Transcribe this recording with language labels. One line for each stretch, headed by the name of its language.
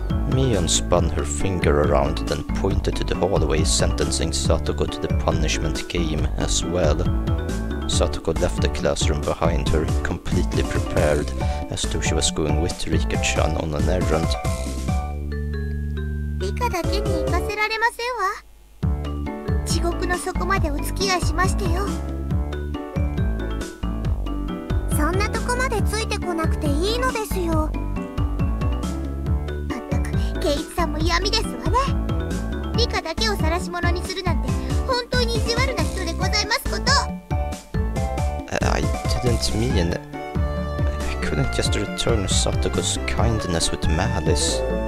English: Mion spun her finger around, then pointed to the hallway, sentencing Satoko to the punishment game as well. Satoko left the classroom behind her, completely prepared, as though she was going with Rika-chan on an errand.
Japanese: だけに行かせられませんわ。地獄の底までお付き合いしましてよ。そんなとこまでついてこなくていいのですよ。まったくケイチさんも闇ですわね。リカだけを晒し者にするなんて本当に意地悪な人でございますこと。
English: I didn't mean it. I couldn't just return Satoko's kindness with malice.